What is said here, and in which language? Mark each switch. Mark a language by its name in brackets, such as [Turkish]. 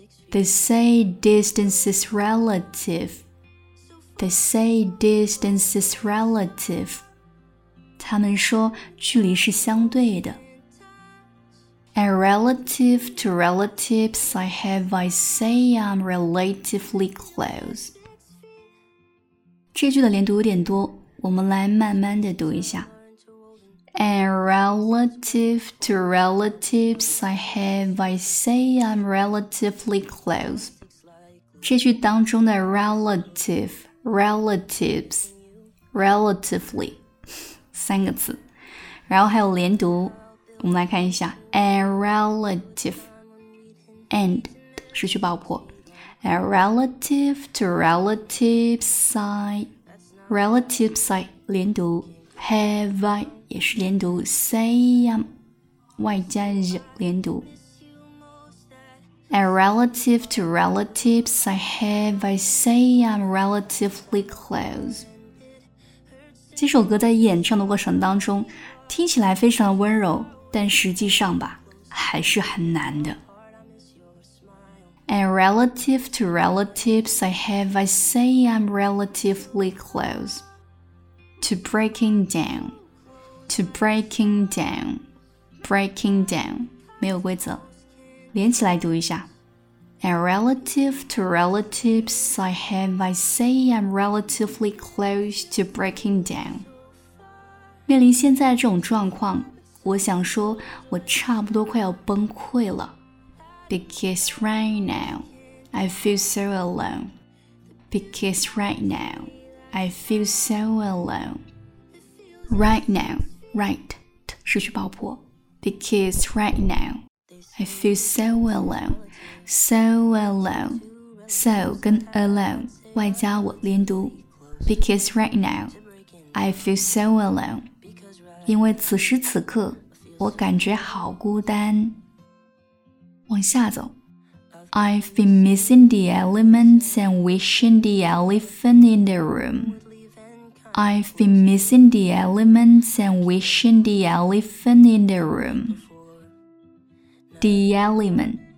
[English] They say distance is relative. They say distance is relative. [Chinese] 他们说距离是相对的。 [English] And relative to relatives I have, I say I'm relatively close. [Chinese] 这句的连读有点多，我们来慢慢的读一下。 [English] And relative to relatives I have, I say I'm relatively close. [Chinese] 这句当中的 relative,Relatives, relatively, 三个字，然后还有连读，我们来看一下 ，and relative, and 失去爆破 ， [English] and relative to relative side [Chinese] 连读 ， [English] have I [Chinese] 也是连读 ， [English] say I'm [Chinese] 外加 z 连读。 [English] And relative to relatives I have, I say I'm relatively close. [Chinese] 这首歌在演唱的过程当中，听起来非常的温柔，但实际上吧，还是很难的。 [English] And relative to relatives I have, I say I'm relatively close. To breaking down, to breaking down, breaking down, [Chinese] 没有规则，连起来读一下。 [English] And relative to relatives I have, I say I'm relatively close to breaking down. [Chinese] 面临现在这种状况，我想说我差不多快要崩溃了。 [English] Because right now, I feel so alone. Because right now, I feel so alone. Right now, right, [Chinese] 失去爆破。 [English] Because right now, I feel so alone. So alone, so 跟 alone [Chinese] 外加我连读 [English] ，because right now I feel so alone. [Chinese] 因为此时此刻我感觉好孤单。往下走 [English] ，I've been missing the elements and wishing the elephant in the room. I've been missing the elements and wishing the elephant in the room. The element.